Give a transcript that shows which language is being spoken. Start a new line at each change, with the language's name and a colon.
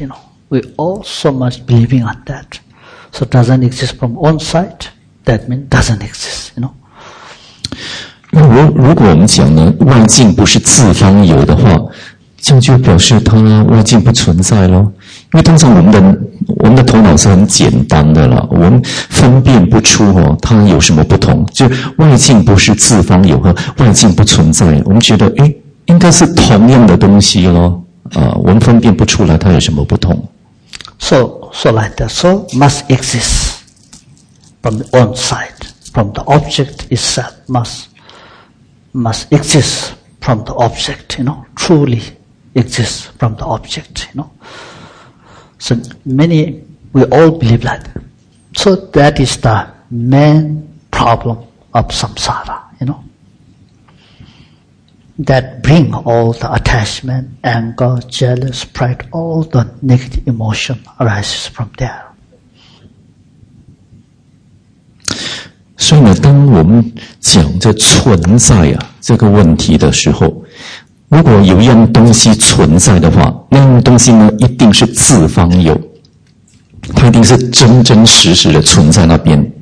English: You know, we all so much believing on that. So doesn't exist from own sight, that means doesn't exist, you know.
Chinese: 如果我们讲呢，外境不是自方有的话，这样就表示它外境不存在咯。因为通常我们的头脑是很简单的啦，我们分辨不出哦，它有什么不同。就外境不是自方有和外境不存在，我们觉得诶，应该是同样的东西咯。我们分辨不出来它有什么不同。
English: So like the soul must exist from the own side, from the object itself must exist from the object, you know, truly exist from the object, you know. So many, we all believe that. So that is the main problem of samsara, you know. That bring all the attachment, anger, jealous, pride, all the negative emotion arises from there.
Chinese: 所以呢，当我们讲这存在啊这个问题的时候，如果有一样东西存在的话，那样东西呢一定是自方有，它一定是真真实实的存在那边。